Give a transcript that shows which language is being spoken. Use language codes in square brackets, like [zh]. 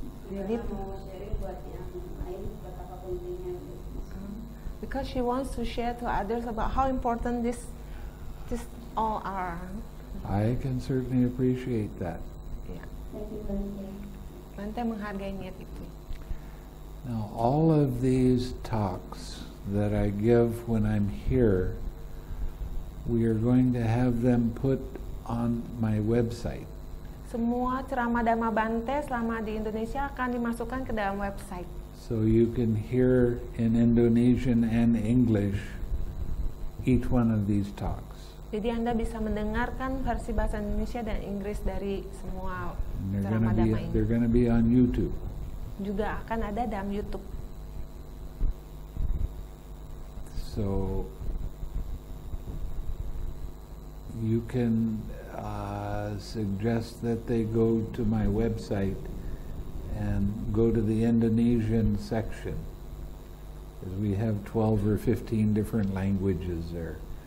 [id] Jadi mau sharing buat yang lain betapa pentingnya. [en] Because she wants to share to others about how important this all are. I can certainly appreciate that. Yeah. [id] Bante menghargai niat itu. [en] Now all of these talks that I give when I'm here, we are going to have them put on my website. [id] Semua ceramah Dhamma Bante selama di Indonesia akan dimasukkan ke dalam website. [en] So you can hear in Indonesian and English each one of these talks. [id] Jadi Anda bisa mendengarkan versi bahasa Indonesia dan Inggris dari semua ceramah Dhamma ini. [en] They're going to be on YouTube. [id] Juga akan ada dalam YouTube. [en] So you can suggest that they go to my website and go to the Indonesian section, because we have 12 or 15 different languages there.